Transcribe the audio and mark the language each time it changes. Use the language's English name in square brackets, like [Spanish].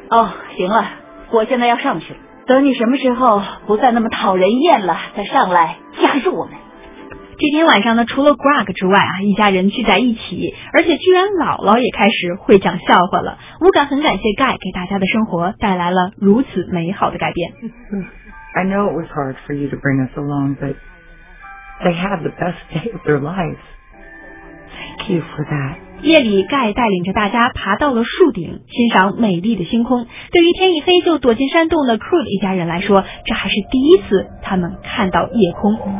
[Chinese] 哦，行了，我现在要上去了，等你什么时候不再那么讨人厌了再上来加入我们。这天晚上呢，除了 Greg 之外啊，一家人聚在一起，而且居然姥姥也开始会讲笑话了。我感很感谢 Guy 给大家的生活带来了如此美好的改变。 [English] I know it was hard for you to bring us along, but they had the best day of their lives. Thank you for that. [Chinese] 夜里盖带领着大家爬到了树顶欣赏美丽的星空，对于天一黑就躲进山洞的 Cruz 一家人来说，这还是第一次他们看到夜空。